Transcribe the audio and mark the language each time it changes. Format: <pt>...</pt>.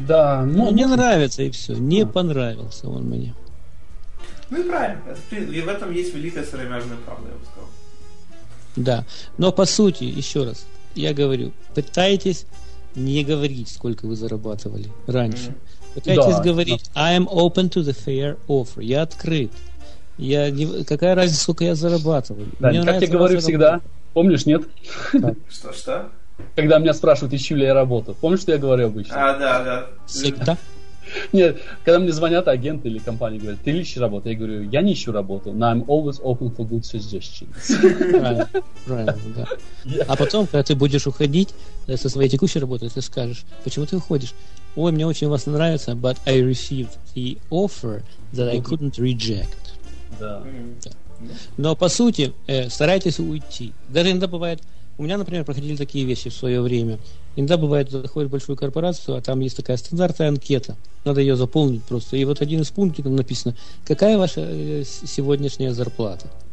<ru>Да, ну, не нравится, и все. Не понравился он мне. Ну и правильно. И в этом есть великая сыромяжная правда, я бы сказал. Да, но по сути, еще раз, я говорю, пытайтесь не говорить, сколько вы зарабатывали раньше. Пытайтесь говорить,</ru> <en>I am open to the fair offer,</en> <ru>я открыт. Я не... Какая разница, сколько я зарабатываю? Да, мне как нравится, я говорю всегда, помнишь, нет? Что-что? Да. Когда меня спрашивают, ищу ли я работу, помнишь, что я говорю обычно? А, да, да. Всегда. Нет, когда мне звонят агенты или компании, говорят, ты ищешь работу? Я говорю, я не ищу работу, но</ru> <en>I'm always open for good suggestions.</en> <ru>Правильно, да. А потом, когда ты будешь уходить со своей текущей работы, ты скажешь, почему ты уходишь? Ой, мне очень вас нравится,</ru> <en>but I received the offer that I couldn't reject.</en> <ru>Да. Но по сути, старайтесь уйти. Даже иногда бывает... У меня, например, проходили такие вещи в свое время. Иногда бывает, заходишь в большую корпорацию, а там есть такая стандартная анкета. Надо ее заполнить просто. И вот один из пунктов написано, какая ваша сегодняшняя зарплата?</ru>